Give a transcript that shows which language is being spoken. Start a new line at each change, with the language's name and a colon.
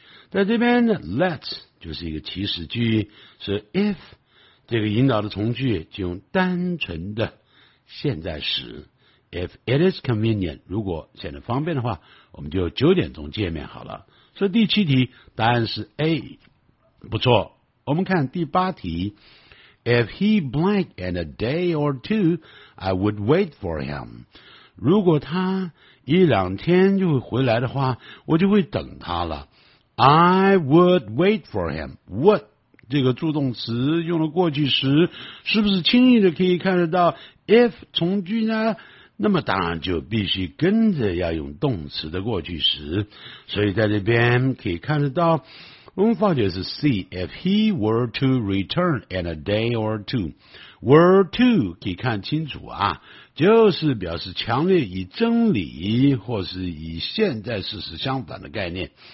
Chinese: 在这边呢 let's 就是一个祈使句，是 if 这个引导的从句，就用单纯的现在时，
English: If it is convenient，
Chinese: 如果显得方便的话，我们就9点钟见面好了。所以第七题答案是 A， 不错。我们看第八题，
English: If he blank in a day or two I would wait for him，
Chinese: 如果他一两天就回来的话，我就会等他了。
English: I would wait for him.
Chinese: Would 这个助动词用了过去时，是不是轻易的可以看得到 if 从句呢？那么当然就必须跟着要用动词的过去时，所以在这边可以看得到，我们发觉是
English: see if he were to return in a day or two，
Chinese: were to 可以看清楚啊，就是表示强烈以真理或是以现在事实相反的概念。